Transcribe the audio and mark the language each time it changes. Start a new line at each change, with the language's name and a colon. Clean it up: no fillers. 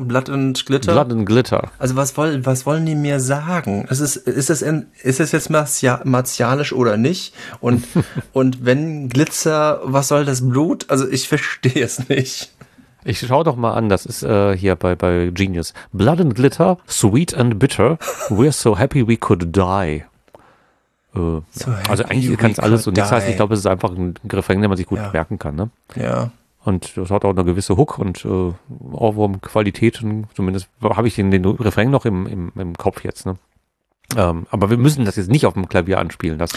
English: Blood and Glitter? Blood and Glitter.
German: Also, was wollen die mir sagen? Ist es jetzt martialisch oder nicht? Und, und wenn Glitzer, was soll das Blut? Also, ich verstehe es nicht. Ich schau doch mal an, das ist hier bei Genius.
English: Blood and Glitter, sweet and bitter, we're so happy we could die.
German: So also eigentlich kann es alles und die. Das heißt, ich glaube, es ist einfach ein Refrain, den man sich gut merken kann. Ne? Ja. Und das hat auch eine gewisse Hook und Ohrwurm-Qualitäten, zumindest habe ich den Refrain noch im Kopf jetzt. Ne? Aber wir müssen das jetzt nicht auf dem Klavier anspielen.